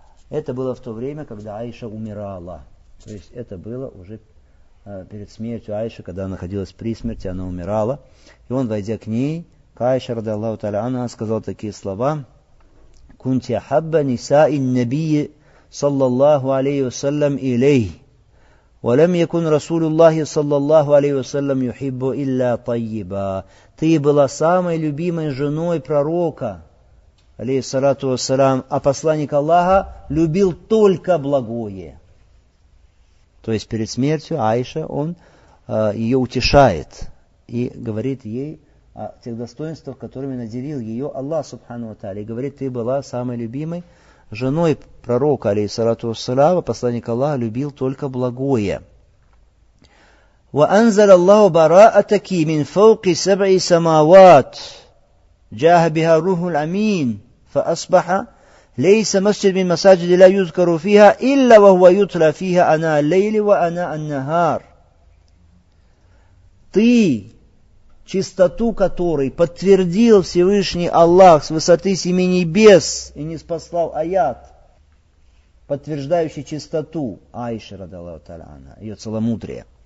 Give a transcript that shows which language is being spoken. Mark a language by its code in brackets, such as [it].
[ru] Это было в то время, когда Аиша умирала. То есть это было уже перед смертью Аиши, когда она находилась при смерти, она умирала. И он, войдя к ней, к Аиша, ради Аллаху тааля анха, сказал такие слова: [ar] كنت أحب نساء النبي صلى الله عليه وسلم إليه ولم يكن رسول الله صلى الله عليه وسلم يحب إلا طيبا. [ru] Ты была самой любимой женой пророка, алейхиссалату вассалям, а посланник Аллаха любил только благое. То есть перед смертью Аиша, он ее утешает и говорит ей о тех достоинствах, которыми наделил ее Аллах Субхану ва Тааля. И говорит, ты была самой любимой женой пророка, алейхиссалату вассаляма, посланник Аллаха, любил только благое. [ar] وأنزل الله براءتك من فوق سبع سماوات جاه بها الروح الأمين فأصبح ليس مسجد من مساجد لا يذكر فيها إلا وهو يتلى فيها أنا الليل وأنا النهار. [ru] Ты, чистоту которой подтвердил Всевышний Аллах с высоты семи небес и ниспослал аят, подтверждающий чистоту Аиши радиаллаху тааля анха, ее целомудрие.